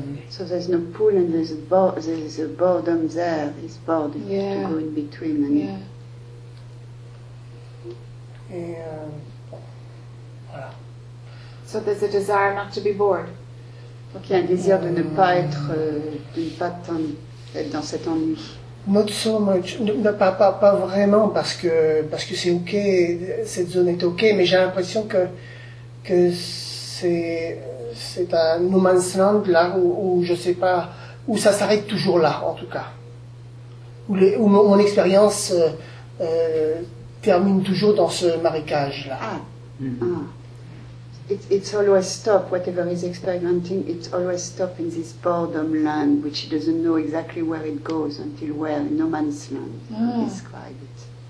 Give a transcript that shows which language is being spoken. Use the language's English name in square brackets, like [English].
[English] So there's no pull and there's a boredom there. It's bored yeah. to go in between. And yeah. So there's a desire not to be bored. [French] Okay, un désir de ne pas être, de ne pas être dans cet ennui. [English] Not so much. [French] Pas vraiment parce que c'est okay. Cette zone est okay. Mais j'ai l'impression que c'est un no man's land là où je sais pas où ça s'arrête toujours là en tout cas où mon expérience termine toujours dans ce marécage là. [English] It's always stop whatever is experiencing. It's always stop in this boredom land which it doesn't know exactly where it goes until where no man's land describe it.